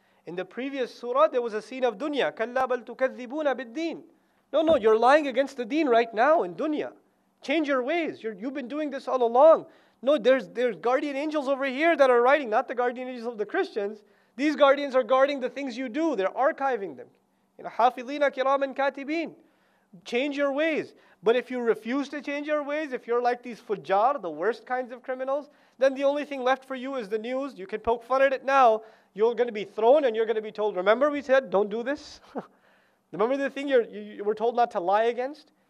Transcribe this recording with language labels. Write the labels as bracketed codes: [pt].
[en] In the previous surah, there was a scene of dunya. [ar] كَلَّا بَلْ تُكَذِّبُونَ بِالدِّينِ. [en] No, no, you're lying against the deen right now in dunya. Change your ways. You've been doing this all along. No, there's guardian angels over here that are writing, not the guardian angels of the Christians. These guardians are guarding the things you do. They're archiving them. You know, [ar] حَافِظِينَ كِرَامًا كَاتِبِينَ. [en] Change your ways. But if you refuse to change your ways, if you're like these fujjar, the worst kinds of criminals, then the only thing left for you is the news. You can poke fun at it now. You're going to be thrown and you're going to be told, remember we said, don't do this? Remember the thing you were told not to lie against?